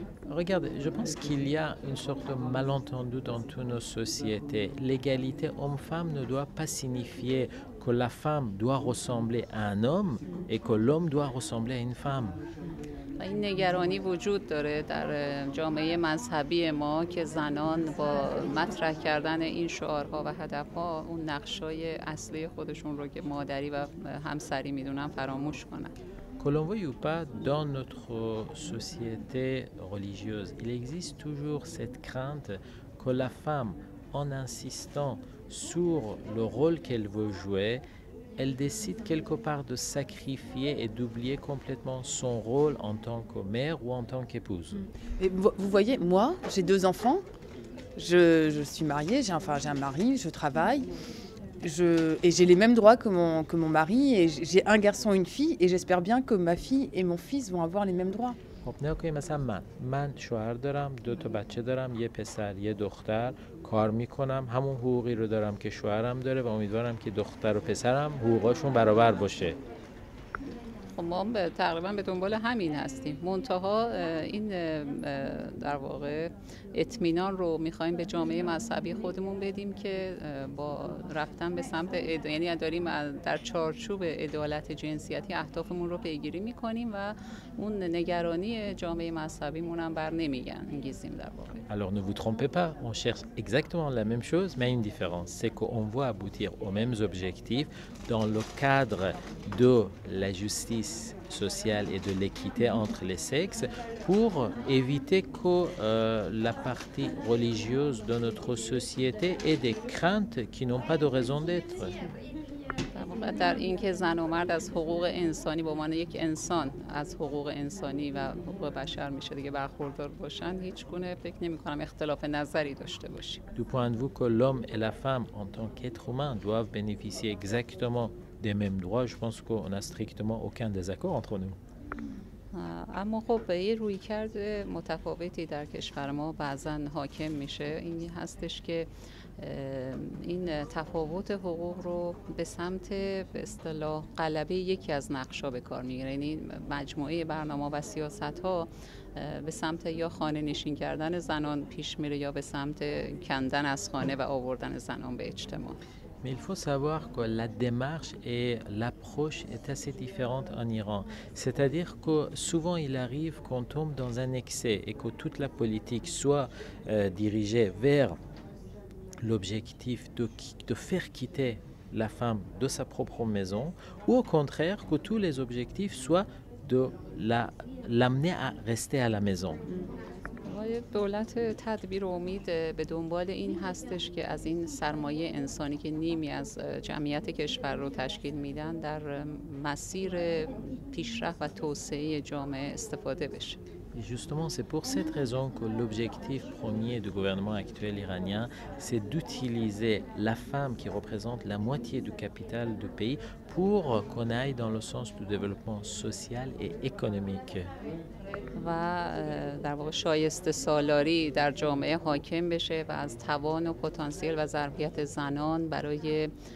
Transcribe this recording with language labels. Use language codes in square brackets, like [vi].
[fr] Regardez, je pense qu'il y a une sorte de malentendu dans toutes nos sociétés. L'égalité homme-femme ne doit pas signifier que la femme doit ressembler à un homme et que l'homme doit ressembler à une femme. [fa] این نگرانی وجود داره در جامعه مذهبی ما که زنان با مطرح کردن این شعارها و هدفها اون نقشای اصلی خودشون رو که مادری و همسری میدونن فراموش کنن. [fr] Colombo ou pas, dans notre société religieuse, il existe toujours cette crainte que la femme, en insistant sur le rôle qu'elle veut jouer, elle décide quelque part de sacrifier et d'oublier complètement son rôle en tant que mère ou en tant qu'épouse. Et vous voyez, moi, j'ai deux enfants, je suis mariée, j'ai un mari, je travaille. Et j'ai les mêmes droits que mon mari, et j'ai un garçon et une fille, et j'espère bien que ma fille et mon fils vont avoir les mêmes droits. [fa] خب نه که مثلا من شوهر دارم، دو تا بچه دارم، یه پسر یه دختر، کار میکنم، همون حقوقی رو دارم که شوهرم داره و امیدوارم که دختر و پسرم حقوقاشون برابر باشه. خب ما تقریبا به دنبال همین هستیم، منتها این در واقع اطمینان رو میخواییم به جامعه مذهبی خودمون بدیم که با رفتن به سمت یعنی داریم در چارچوب عدالت جنسیتی اهدافمون رو پیگیری میکنیم و اون نگرانی جامعه مذهبی مون هم بر نمیگن انگیزیم در واقع. [fr] Alors ne vous trompez pas, on cherche exactement la même chose, mais une différence, c'est qu'on veut aboutir aux mêmes objectifs dans le cadre de la justice sociale et de l'équité entre les sexes pour éviter que la partie religieuse de notre société ait des craintes qui n'ont pas de raison d'être. [fa] در اینکه زن و مرد از حقوق انسانی به عنوان یک انسان از حقوق انسانی و حقوق بشر میشه دیگه برخوردار باشن هیچ گونه فکر نمی کنم اختلاف نظری داشته باشیم. [fr] Du point de vue que l'homme et la femme en tant qu'être humain doivent bénéficier exactement des mêmes droits, je pense qu'on n'a strictement aucun désaccord entre nous. [fa] اما خب یه رویکرد متفاوتی در کشور ما بعضن حاکم میشه، این هستش که این تفاوت حقوق رو به سمت به اصطلاح غلبه یکی از نقش‌ها به کار میگیره، یعنی مجموعه برنامه و سیاست‌ها به سمت یا خانه نشین کردن زنان پیش میره یا به سمت کندن از خانه و آوردن زنان به اجتماع. [fr] Mais il faut savoir que la démarche et l'approche est assez différente en Iran. C'est-à-dire que souvent il arrive qu'on tombe dans un excès et que toute la politique soit dirigée vers l'objectif de faire quitter la femme de sa propre maison ou au contraire que tous les objectifs soient de l'amener à rester à la maison. [fa] دولت تدبیر و امید به دنبال این هستش که از این سرمایه انسانی که نیمی از جمعیت کشور رو تشکیل میدن در مسیر پیشرفت و توسعه جامعه استفاده بشه. [fr] Justement, c'est pour cette raison que l'objectif premier du gouvernement actuel iranien, c'est d'utiliser la femme qui représente la moitié du capital du pays pour qu'on aille dans le sens du développement social et économique. [fa] و در واقع شایسته سالاری در جامعه حاکم بشه و از توان و پتانسیل و ظرفیت زنان برای